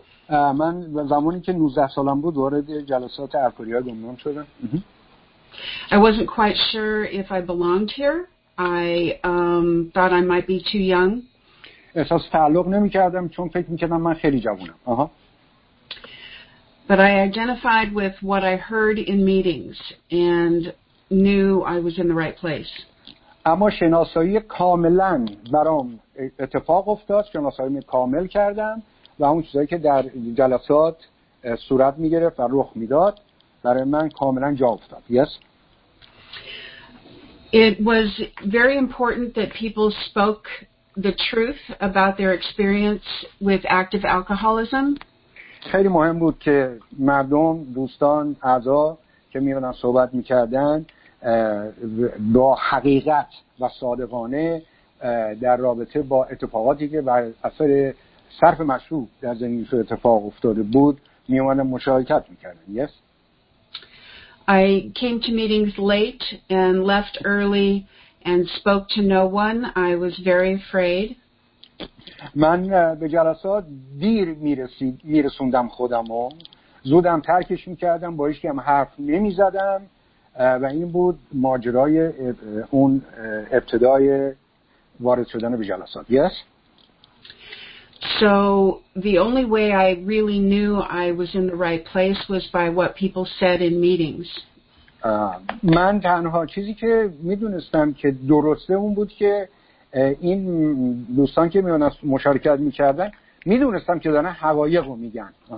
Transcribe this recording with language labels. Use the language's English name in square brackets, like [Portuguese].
[Persian] من زمانی که 19 سالم بود وارد جلسات الکلی‌ها گمنام شدم. [English] I wasn't quite sure if I belonged here. I thought I might be too young. [Persian] احساس تعلق نمی‌کردم چون فکر می‌کردم من خیلی جوونم. [English] But I identified with what I heard in meetings and knew I was in the right place. [Persian] اما شناسایی کاملا برام اتفاق افتاد، شناسایی کامل کردم و اون چیزایی که در جلسات صورت می گرفت و رخ می داد برای من کاملا جا افتاد. [English] Yes. It was very important that people spoke the truth about their experience with active alcoholism. [Persian] خیلی مهم بود که مردم، دوستان، اعضا که می بودن صحبت می کردن با حقیقت و صادقانه در رابطه با اتفاقاتی که بر اثر صرف مشروب در زندگیش اتفاق افتاده بود می اومدن مشارکت میکردن. [English] Yes. I came to meetings late and left early and spoke to no one. I was very afraid. [Persian] من به جلسات دیر میرسوندم خودمو، زودم ترکش میکردم، با هیچ کی هم حرف نمیزدم و این بود ماجرای اون ابتدای وارد شدن به جلسات. [English] Yes. So the only way I really knew I was in the right place was by what people said in meetings. [Persian] من تنها چیزی که میدونستم که درسته اون بود که این دوستان که میان مشارکت میکردن میدونستم که دارن حقایق رو میگن.